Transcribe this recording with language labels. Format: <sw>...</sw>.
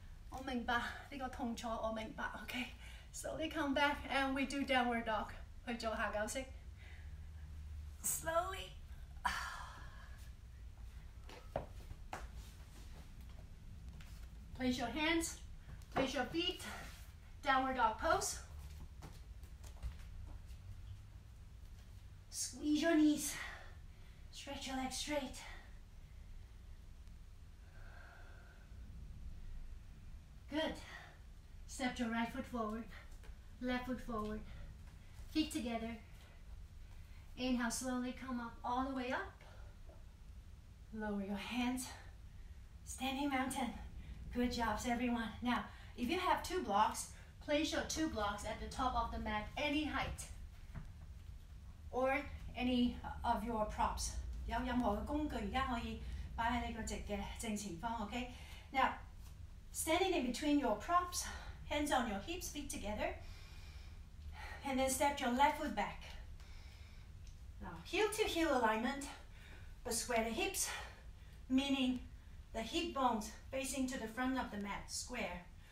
<yue>我明白呢個痛楚，我明白。</yue> <en>Okay. Slowly come back and we do downward dog.</en> <yue>去做下休息。</yue> <en>Slowly. Place your hands. Place your feet. Downward dog pose. Squeeze your knees. Stretch your legs straight. Good. Step your right foot forward, left foot forward, feet together. Inhale, slowly come up all the way up. Lower your hands. Standing mountain. Good job, everyone. Now, if you have two blocks, place your two blocks at the top of the mat, any height, or any of your props.</en> <yue>有任何的工具，而家可以摆喺你个直嘅正前方。</yue> <en>Okay. Now. Standing in between your props, hands on your hips, feet together, and then step your left foot back. Now, heel to heel alignment, but square the hips, meaning the hip bones facing to the front of the mat, square.</en>